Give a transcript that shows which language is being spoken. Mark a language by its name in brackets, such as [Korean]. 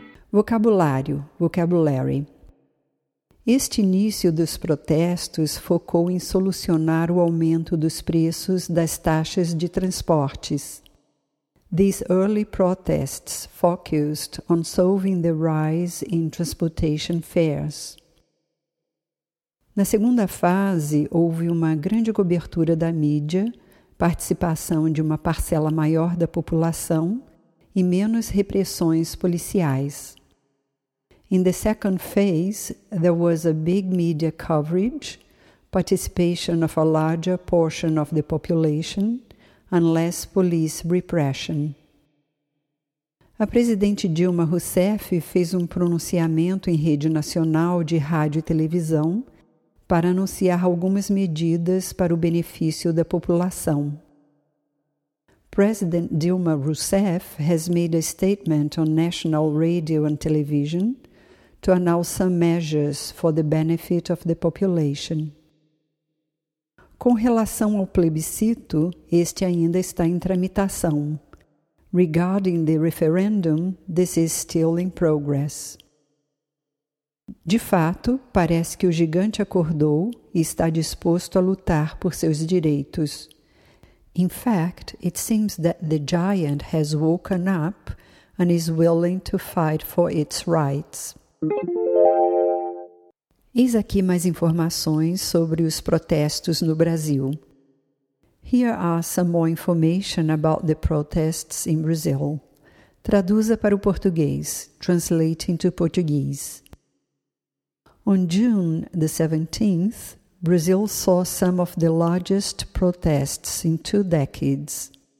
[Portuguese] Vocabulário, vocabulary. Este início dos protestos focou em solucionar o aumento dos preços das taxas de transportes. [English] These early protests focused on solving the rise in transportation fares. [Portuguese] Na segunda fase, houve uma grande cobertura da mídia, participação de uma parcela maior da população e menos repressões policiais. [English] In the second phase, there was a big media coverage, participation of a larger portion of the population, and less police repression. [Portuguese] A presidente Dilma Rousseff fez um pronunciamento em rede nacional de rádio e televisão para anunciar algumas medidas para o benefício da população. [English] President Dilma Rousseff has made a statement on national radio and television to announce some measures for the benefit of the population. [Portuguese] Com relação ao plebiscito, este ainda está em tramitação. [English] Regarding the referendum, this is still in progress. [Portuguese] De fato, parece que o gigante acordou e está disposto a lutar por seus direitos. [English] In fact, it seems that the giant has woken up and is willing to fight for its rights. [Portuguese] Eis aqui mais informações sobre os protestos no Brasil. [English] Here are some more information about the protests in Brazil. [Portuguese] Traduza para o português. [English] Translate into Portuguese. On June the 17th, Brazil saw some of the largest protests in two decades.